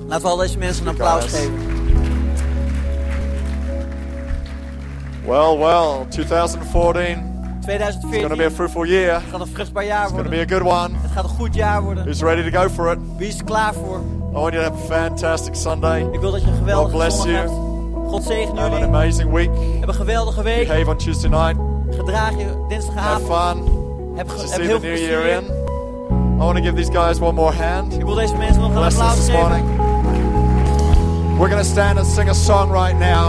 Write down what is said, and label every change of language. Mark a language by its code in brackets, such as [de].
[nl] Laten we al deze mensen een applaus geven. [en] Well, well, 2014. 2014. It's going to be a fruitful year. [nl] Het gaat een vruchtbaar jaar worden. [en] It's going to be a good one. [nl] Het gaat een goed jaar worden. [en] Who's ready to go for it? [nl] Wie is er klaar voor? [en] I want you to have a fantastic Sunday. [nl] Ik wil dat je een geweldige [en] God bless [nl] zondag [en] you. [nl] Hebt. God zegen [en] have [nl] jullie. [en] An amazing week. [nl] Heb een geweldige week. [en] Behave on Tuesday night. [nl] Gedraag je dinsdagavond. [en] Have fun. [nl] Heb heel veel plezier. [en] In. I want to give these guys one more hand. [nl] Ik wil deze mensen nog een applaus geven. [en] We're going to stand and sing a song right now.